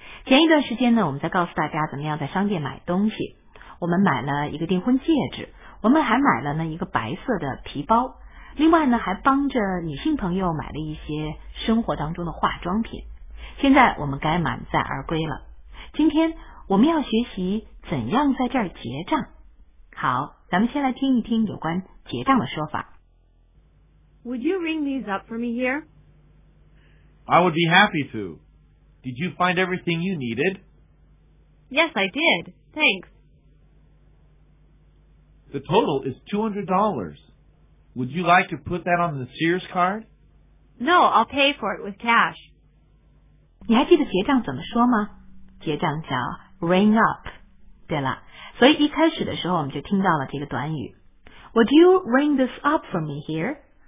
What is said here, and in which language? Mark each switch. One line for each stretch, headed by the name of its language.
Chinese: 前一段时间呢，我们在告诉大家怎么样在商店买东西。我们买了一个订婚戒指，我们还买了呢一个白色的皮包，另外呢还帮着女性朋友买了一些生活当中的化妆品。现在我们该满载而归了。今天我们要学习怎样在这儿结账。好，咱们先来听一听有关结账的说法。
English: Would you ring these up for me here? I would be happy to. Did you find everything you needed? Yes, I did. Thanks. The total is $200. Would you like to put that on the Sears card? No, I'll pay for it with cash.
Chinese: 你还记得结账怎么说吗？结账叫 ring up. 对了，所以一开始的时候我们就听到了这个短语。
English: Would you ring this up for me here?